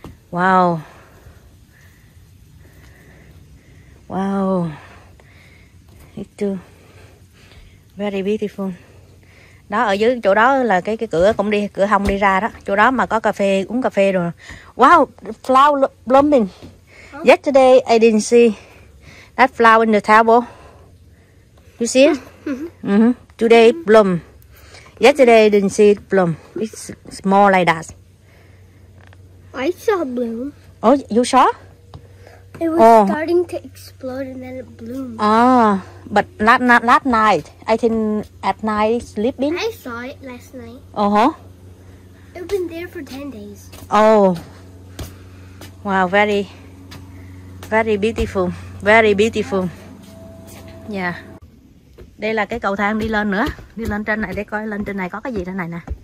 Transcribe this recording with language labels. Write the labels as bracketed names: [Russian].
[English] Wow. Wow. It's too very beautiful. [Vietnamese] Đó, ở dưới chỗ đó là cái cửa cũng đi, cửa hông đi ra đó. Chỗ đó mà có cà phê, uống cà phê rồi. [English] Wow, flower blooming. Yesterday I didn't see that flower in the table. You see it? Mm-hmm. Mm-hmm. Today bloom. Yesterday didn't see it bloom. It's small like that. I saw bloom. Oh, you saw? It was starting to explode and then it bloomed. Ah, but not night. I think at night sleeping. I saw it last night. Uh-huh. It's been there for 10 days. Oh. Wow, very, very beautiful. Very beautiful. Yeah. [Vietnamese] Đây là cái cầu thang đi lên nữa. Đi lên trên này để coi lên trên này có cái gì trên này nè.